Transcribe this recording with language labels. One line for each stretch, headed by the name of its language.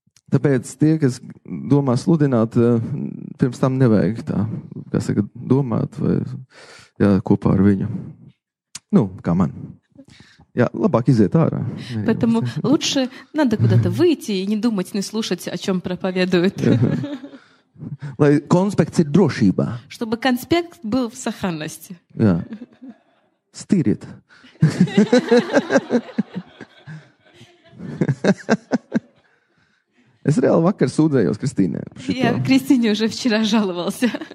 Latvian: Tāpēc tie, kas domā sludināt, pirms tam nevajag tā, kā saka, domāt vai jā, kopā ar viņu. Nu, kā man. Jā, labāk iziet ārā.
Russian: Поэтому лучше надо куда-то выйти и не думать, не слушать, о чём проповедуют.
Latvian: Lai konspekts ir drošībā.
Russian: Чтобы конспект был в сохранности.
Latvian: Jā. Stīriet. Es reāli vakar sūdzējos Kristīnē.
Russian: Jā, Kristīne уже вчера жаловался.